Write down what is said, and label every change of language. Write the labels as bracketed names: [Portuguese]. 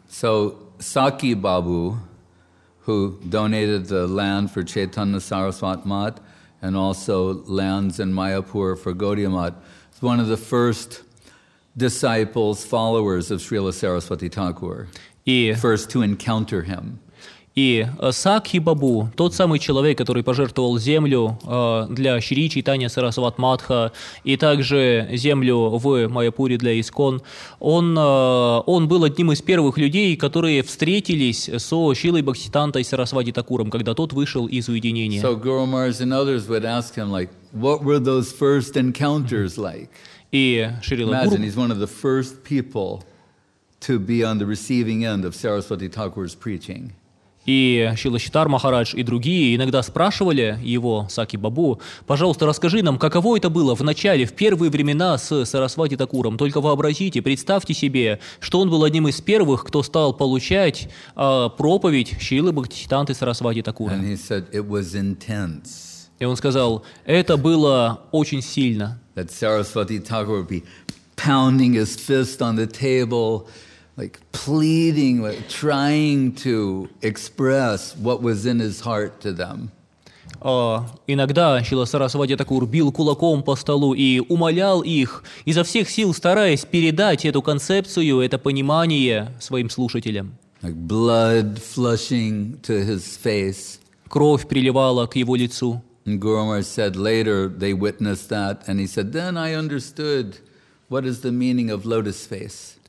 [English] So, Saki Babu, who donated the land for Chaitanya Saraswat Math, and also lands in Mayapur for Gaudiya Math, is one of the first disciples, followers of Srila Saraswati Thakur, first to encounter him. [Russian] И Сакхи Бабу, тот самый человек, который пожертвовал землю для Шри Чайтанья Сарасват Матха и также землю в Майяпуре для Искон, он был одним из первых людей, которые встретились со Шрилой Бхактисиддхантой Сарасвати Такуром, когда тот вышел из уединения. [English] So Guru Maharaj and others would ask him, like, what were those first encounters like? [Russian] И Шрила Гуру... [English] Imagine, he's one of the first people to be on the receiving end of Saraswati Thakur's preaching. [Russian] И Шрила Читар Махарадж и другие иногда спрашивали его, Саки Бабу, пожалуйста, расскажи нам, каково это было в начале, в первые времена с Сарасвати Такуром. Только вообразите, представьте себе, что он был одним из первых, кто стал получать проповедь Шрилы Бхактисиддханты Сарасвати Такура. [English] And he said, it was intense. [Russian] И он сказал, это было очень сильно. [English] That Saraswati Thakur would be pounding his fist on the table, like pleading, like trying to express what was in his heart to them. [Russian] Иногда Шрила Сарасвати Такур бил кулаком по столу и умолял их, изо всех сил стараясь передать эту концепцию, это понимание своим слушателям. [English] Like blood flushing to his face. [Russian] Кровь приливала к его лицу. [English] And Guru Maharaj said later they witnessed that, and he said, then I understood what is the meaning of lotus face.